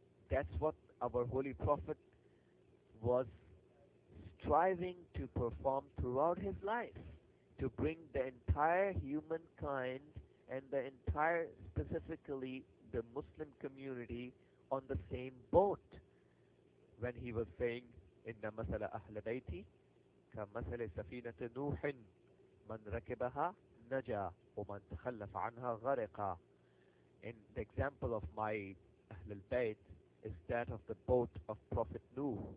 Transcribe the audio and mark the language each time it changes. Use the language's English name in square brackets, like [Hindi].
[English] That's what our Holy Prophet was striving to perform throughout his life, to bring the entire humankind and the entire, specifically the Muslim community, on the same boat. When he was saying, [Arabic] إِنَّ مَثَلَ أَهْلَ بَيْتِ كَمَثَلِ سَفِينَةِ نُوحٍ مَنْ رَكِبَهَا نَجَى وَمَنْ تَخَلَّفَ عَنْهَا غَرِقَ. [English] In the example of my Ahlul Bayt is that of the boat of Prophet Nuh.